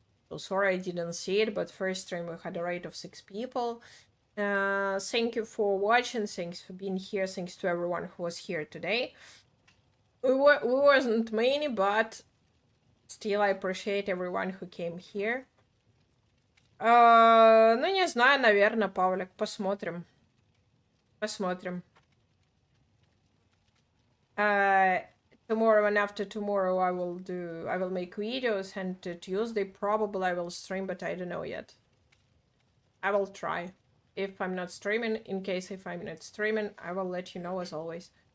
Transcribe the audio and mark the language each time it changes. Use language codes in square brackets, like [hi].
[en] So sorry I didn't see it, but first stream we had a raid of six people. Thank you for watching. Thanks for being here. Thanks to everyone who was here today. We weren't many, but still, I appreciate everyone who came here. [ru] Ну, не знаю, наверное, Павлик, посмотрим. Посмотрим. [en] Tomorrow and after tomorrow I will make videos, and Tuesday probably I will stream, but I don't know yet. I will try. In case I'm not streaming, I will let you know as always.